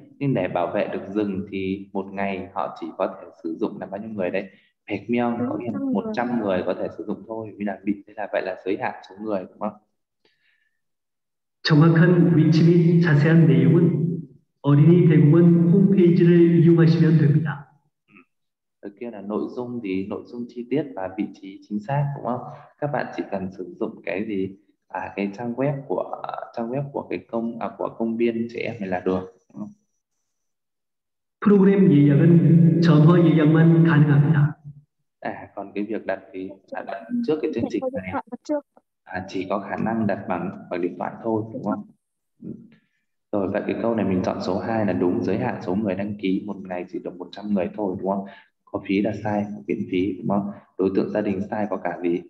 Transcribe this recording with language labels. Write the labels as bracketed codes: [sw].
[vi] Nhưng để bảo vệ được rừng thì một ngày họ chỉ có thể sử dụng là bao nhiêu người đấy? Phẹt miêng có nghĩa là 100 người có thể sử dụng thôi. Vì là bị thế là vậy là giới hạn số người, đúng không? [ko] 정확한 위치 및 자세한 내용은 어린이 대공원 홈페이지를 이용하시면 됩니다. [vi] Ở kia là nội dung chi tiết và vị trí chính xác, đúng không? Các bạn chỉ cần sử dụng cái gì? À, cái trang web của cái công à, của công viên trẻ em này là được. [en] Program [ko] 예약은 전화 예약만 가능합니다. [vi] À, còn cái việc đặt thì đặt trước cái chương trình này à, chỉ có khả năng đặt bằng điện thoại thôi, đúng không? Rồi vậy cái câu này mình chọn số 2 là đúng, giới hạn số người đăng ký một ngày chỉ được 100 người thôi, đúng không? Có phí là sai, miễn phí, đúng không? Đối tượng gia đình sai có cả gì?